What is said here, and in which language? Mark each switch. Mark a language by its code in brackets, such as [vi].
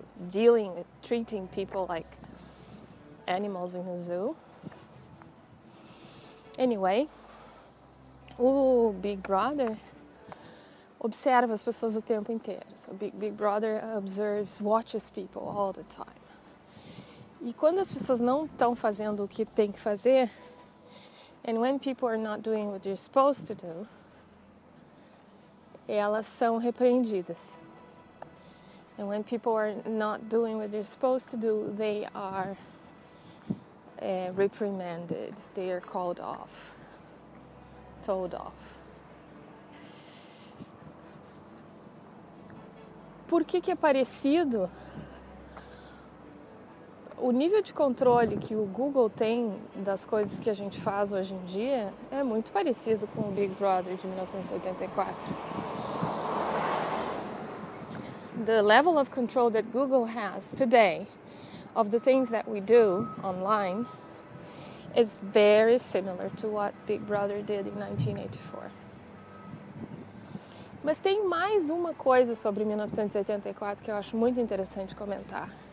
[en] dealing, treating people like animals in a zoo. [pt] Anyway, o Big Brother observa as pessoas o tempo inteiro. [en] So Big Brother observes, watches people all the time. [pt] E quando as pessoas não estão fazendo o que tem que fazer, [en] and when people are not doing what they're supposed to do, [pt] elas são repreendidas. [en] And when people are not doing what they're supposed to do, they are reprimanded. They are called off, told off. [pt] Por que que é parecido? O nível de controle que o Google tem das coisas que a gente faz hoje em dia é muito parecido com o Big Brother de 1984. [en] The level of control that Google has today of the things that we do online is very similar to what Big Brother did in 1984. [pt] Mas tem mais uma coisa sobre 1984 que eu acho muito interessante comentar.